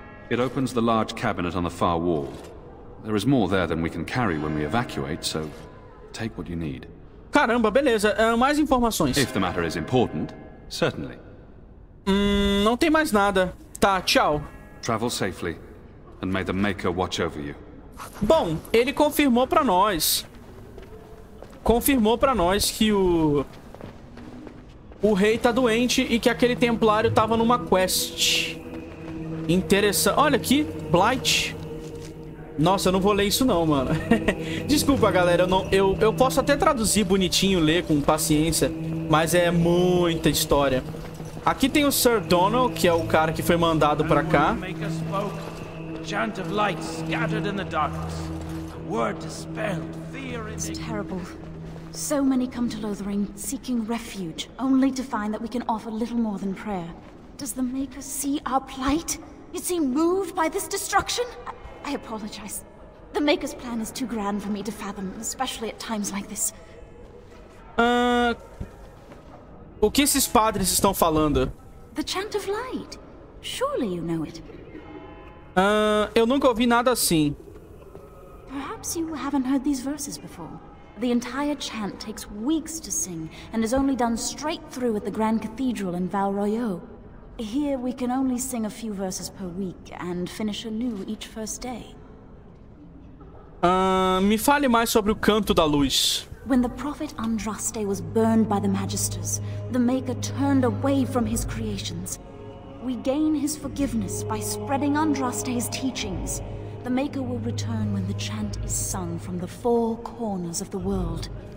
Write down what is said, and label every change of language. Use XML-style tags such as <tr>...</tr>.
<en>It opens the large cabinet on the far wall. There is more there than we can carry when we evacuate, so take what you need.</en> <pt>Caramba, beleza. Mais informações.</pt> <en>If the matter is important, certainly.</en> <pt>Não tem mais nada. Tá, tchau.</pt> <en>Travel safely, and may the Maker watch over you.</en> <pt>Bom, ele confirmou pra nós. Confirmou pra nós que o rei tá doente e que aquele templário tava numa quest. Interessante. Olha aqui, Blight. Nossa, eu não vou ler isso não, mano. Desculpa, galera. Eu posso até traduzir bonitinho, ler com paciência, mas é muita história. Aqui tem o Sir Donald, que é o cara que foi mandado pra cá.</pt> <en>Chant of light scattered in the darkness. A word dispelled, fear in it. It's terrible. So many come to Lothering seeking refuge, only to find that we can offer little more than prayer. Does the Maker see our plight? Is he moved by this destruction? I apologize. The Maker's plan is too grand for me to fathom, especially at times like this.</en> <pt>O que esses padres estão falando? The Chant of Light.</pt> <en>Surely you know it.</en> <pt>Eu nunca ouvi nada assim.</pt> <en>Perhaps you haven't heard these verses before. The entire chant takes weeks to sing and is only done straight through at the Grand Cathedral in Val Royeaux. Here we can only sing a few verses per week and finish anew each first day.</en> <pt>Me fale mais sobre o canto da luz.</pt> <en>When the prophet Andraste was burned by the magisters, the Maker turned away from his creations. We gain his forgiveness by spreading Andraste's teachings. The Maker will return when the chant is sung from the four corners of the world.</en>